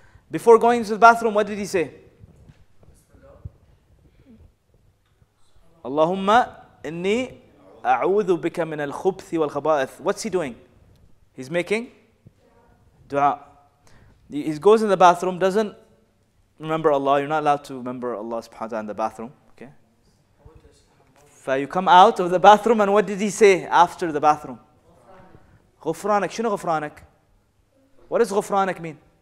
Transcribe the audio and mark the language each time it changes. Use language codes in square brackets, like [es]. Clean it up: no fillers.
[en] Before going to the bathroom, what did he say? [ar] اللهم إني أعوذ بك من الخبث والخبائث. [en] What's he doing? He's making دعاء. He goes in the bathroom, doesn't remember Allah. You're not allowed to remember Allah subhanahu wa ta'ala in the bathroom. Okay. So you come out of the bathroom, and what did he say after the bathroom? Ghufranak. [ar] Shino ghufranak? [en] What does ghufranak mean?